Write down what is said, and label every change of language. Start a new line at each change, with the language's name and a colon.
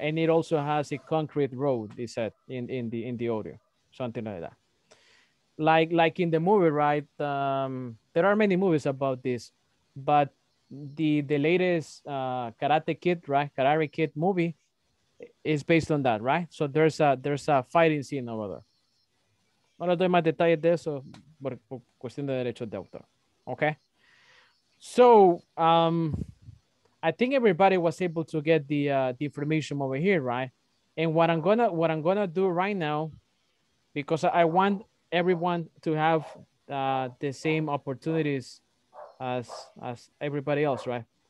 English: And it also has a concrete road, he said, in the audio, something like that. Like in the movie, right? There are many movies about this, but the latest Karate Kid, right? Karate Kid movie is based on that, right? So there's a fighting scene over there.
Spanish: No le doy más detalles de eso por cuestión de derechos de autor.
English: Okay? So, I think everybody was able to get the information over here, right? And what I'm gonna do right now, because I want everyone to have the same opportunities as everybody else, right?